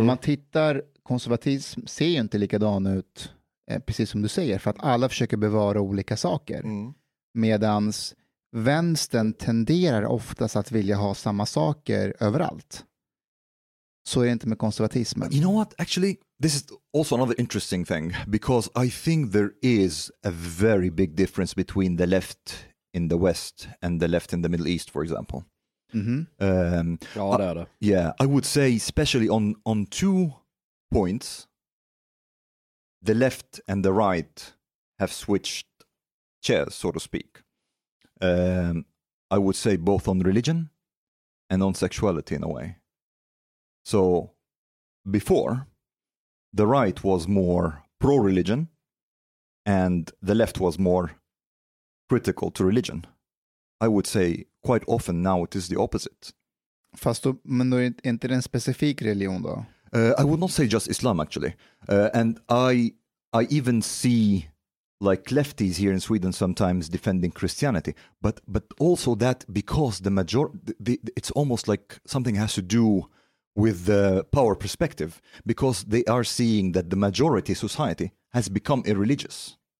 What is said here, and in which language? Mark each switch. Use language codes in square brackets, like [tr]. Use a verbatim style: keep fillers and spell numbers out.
[sv] om man tittar, konservatism ser ju inte likadan ut, eh, precis som du säger, för att alla försöker bevara olika saker. Mm. Medans vänstern tenderar oftast att vilja ha samma saker överallt. Så är det inte med konservatismen. [en] But you know what, actually, This is also another interesting thing, because I think there is a very big difference between the left in the West and the left in the Middle East, for example. Mm-hmm. Um, [sv] ja, det I, är det. [en] Yeah, I would say especially on, on two points, the left and the right have switched chairs, so to speak. Um, I would say both on religion and on sexuality in a way. So before, the right was more pro-religion and the left was more critical to religion. I would say quite often now it is the opposite. [sv] Fast då, men då är inte det en specifik religion då? [en] Uh, I would not say just Islam actually. Uh, and I I even see like lefties here in Sweden sometimes defending Christianity. But but also that because the major the, the, it's almost like something has to do with the power perspective, because they are seeing that the majority society has become irreligious.